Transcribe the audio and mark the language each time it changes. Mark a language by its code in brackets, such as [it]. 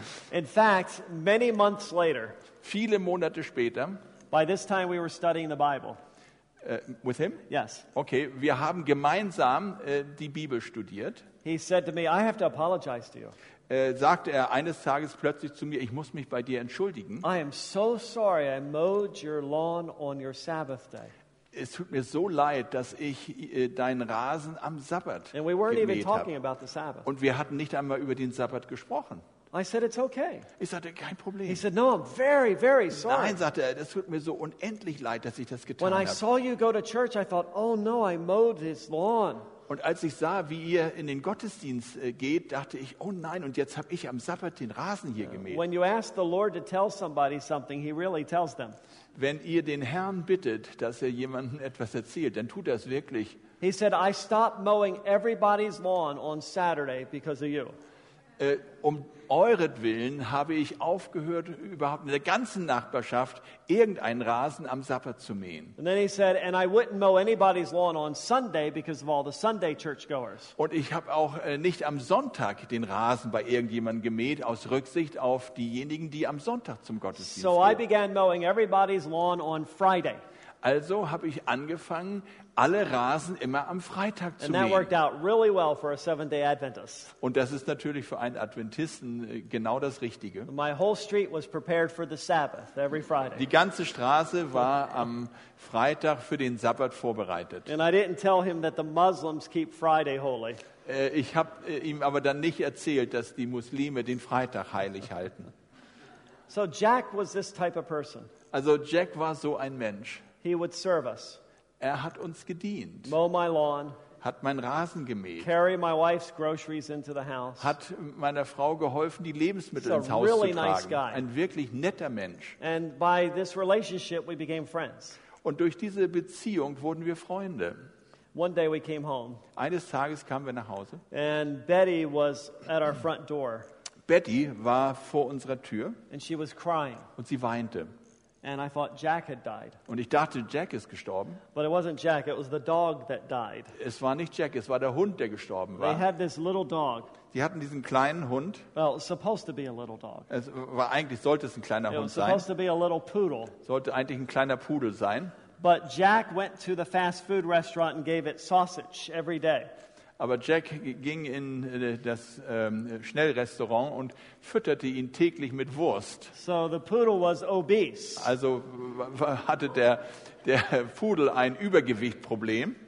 [en] In fact, many months later, [de] viele Monate später, [en] by this time we were studying the Bible. With him? Yes. [de] Okay, wir haben gemeinsam die Bibel studiert. [en] He said to me, "I have to apologize to you." [de] Sagte er eines Tages plötzlich zu mir, ich muss mich bei dir entschuldigen. [en] I am so sorry I mowed your lawn on your Sabbath day. [de] Es tut mir so leid, dass ich deinen Rasen am Sabbat [en] And we weren't [de] gemäht [en] even talking about the Sabbath. [de] Und wir hatten nicht einmal über den Sabbat gesprochen. [en] I said, "It's okay." [de] Ich sagte, kein Problem. [en] He said, "No, I'm very, very sorry." [de] Nein, sagte er, das tut mir so unendlich leid, dass ich das getan habe. [en] When I saw you go to church, I thought, "Oh no, I mowed his lawn." [de] Und als ich sah, wie ihr in den Gottesdienst geht, dachte ich, oh nein, und jetzt habe ich am Sabbat den Rasen hier gemäht. [en] When you ask the Lord to tell somebody something, he really tells them. [de] Wenn ihr den Herrn bittet, dass er jemanden etwas erzählt, dann tut er es wirklich. [en] He said, "I stopped mowing everybody's lawn on Saturday because of you." [de] Um euretwillen habe ich aufgehört, überhaupt in der ganzen Nachbarschaft irgendeinen Rasen am Sabbat zu mähen. [en] And then he said, "And I wouldn't mow anybody's lawn on Sunday because of all the Sunday churchgoers." [de] Und ich habe auch nicht am Sonntag den Rasen bei irgendjemandem gemäht, aus Rücksicht auf diejenigen, die am Sonntag zum Gottesdienst gehen. [en] So I began mowing everybody's lawn on Friday. [de] Also habe ich angefangen, alle Rasen immer am Freitag zu mähen. [en] And that worked out really well for a seven-day Adventist. [de] Und das ist natürlich für einen Adventisten genau das Richtige. [en] My whole street was prepared for the Sabbath every Friday. [de] Die ganze Straße war am Freitag für den Sabbat vorbereitet. [en] And I didn't tell him that the Muslims keep Friday holy. [de] Ich habe ihm aber dann nicht erzählt, dass die Muslime den Freitag heilig halten. [en] So Jack was this type of person. [de] Also Jack war so ein Mensch. [en] He would serve us. [de] Er hat uns gedient. [en] Mow my lawn. [de] hat meinen Rasen gemäht, [en] carry my wife's groceries into the house. [de] Hat meiner Frau geholfen, die Lebensmittel ins Haus [en] really [de] zu tragen. [en] Nice guy. [de] Ein wirklich netter Mensch. [en] And by this relationship we became friends. [de] Und durch diese Beziehung wurden wir Freunde. [en] One day we came home. [de] Eines Tages kamen wir nach Hause. [en] And Betty was at our front door. [de] Betty war vor unserer Tür. [en] And she was crying. [de] Und sie weinte. [en] And I thought Jack had died. [de] Und ich dachte, Jack ist gestorben. [en] But it wasn't Jack, it was the dog that died. [de] Es war nicht Jack, es war der Hund, der gestorben war. [en] They had this little dog. [de] Sie hatten diesen kleinen Hund. [en] Well, it was supposed to be a little dog. [de] Es war eigentlich, sollte es ein kleiner [en] it [de] Hund [en] was supposed [de] sein. [en] To be a little poodle. [de] Sollte eigentlich ein kleiner Pudel sein. [en] But Jack went to the fast food restaurant and gave it sausage every day. [de] Aber Jack ging in das Schnellrestaurant und fütterte ihn täglich mit Wurst. [en] So the poodle was obese. [de] Also hatte der Pudel ein Übergewichtproblem.